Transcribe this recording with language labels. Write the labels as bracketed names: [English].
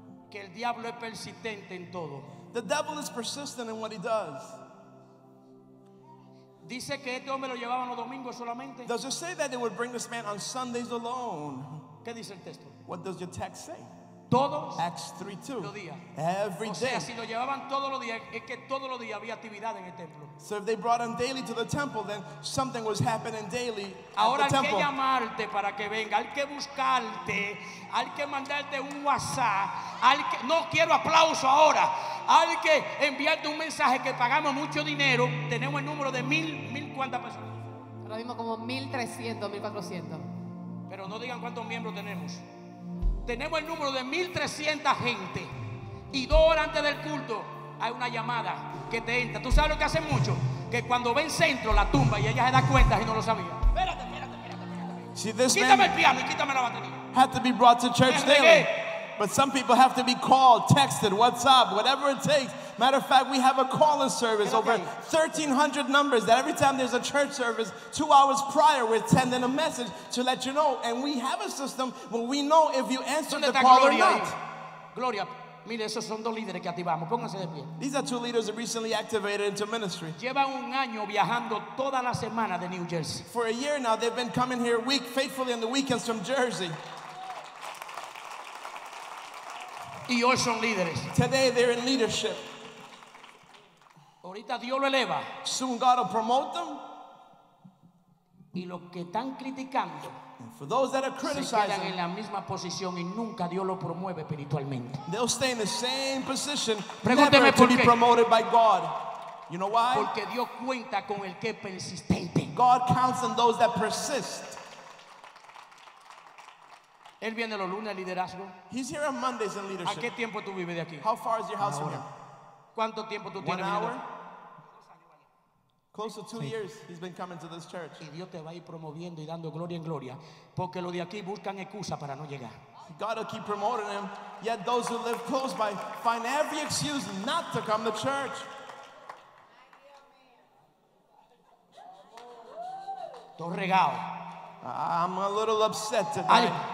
[Spanish] Que el diablo es persistente en todo. [English] The devil is persistent in what he does. [Spanish] Dice que este hombre lo llevaban los domingos solamente. [English] Does it say that they would bring this man on Sundays alone? [Spanish] ¿Qué dice el texto? [English] What does your text say? [Spanish] Todos. [English] Acts 3:2. [Spanish] Los días. [English] Every day. [Spanish] O sea, si lo llevaban todos los días, es que todos los días había actividad en el templo. [English] So if they brought him daily to the temple, then something was happening daily at the temple. [Spanish] Ahora hay que llamarte para que venga, hay que buscarte, hay que mandarte un WhatsApp. No quiero aplauso ahora. Hay que enviarte un mensaje que pagamos mucho dinero. Tenemos el número de mil cuántas personas. Ahora mismo como 1,300, 1,400. Pero no digan cuántos miembros tenemos. Tenemos el número de 1,300 gente. Y 2 horas antes del culto hay una llamada que te entra. ¿Tú sabes lo que hace mucho? Que cuando ven centro la tumba y ella se da cuenta y no lo sabía. Espérate. Quítame el piano y quítame la batería. [English] Had to be brought to church daily. But some people have to be called, texted, what's up, whatever it takes. Matter of fact, we have a call-in service, okay. Over 1,300 numbers that every time there's a church service, 2 hours prior, we're sending a message to let you know. And we have a system where we know if you answer the call Gloria or not. [Spanish] Gloria, mire, esos son dos líderes que activamos. Pónganse de pie. [English] These are two leaders that recently activated into ministry. [Spanish] Llevan un año viajando toda la semana de New Jersey. [English] For a year now, they've been coming here week faithfully on the weekends from Jersey. [Spanish] Y hoy son líderes. [English] Today they're in leadership. [Spanish] Ahorita Dios lo eleva. [English] Soon God will promote them. [Spanish] Y los que están criticando, [English] and for those that are criticizing, [Spanish] se quedan en la misma posición y nunca Dios lo promueve espiritualmente. [English] They'll stay in the same position, never to be promoted by God. You know why? [Spanish] Porque Dios cuenta con el que persistente. [English] God counts on those that persist. [Spanish] Él viene los lunes liderazgo. [English] He's here on Mondays in leadership. [Spanish] ¿A qué tiempo tú vives de aquí? [English] How far is your house from here? [Spanish] ¿Cuánto tiempo tú tienes? [English] One hour. Close to 2 years. He's been coming to this church. [Spanish] Y Dios te va a ir promoviendo y dando gloria en gloria, porque los de aquí buscan excusa para no llegar. [English] God will keep promoting him. Yet those who live close by find every excuse not to come to church. [Spanish] Todo regado. [English] I'm a little upset tonight.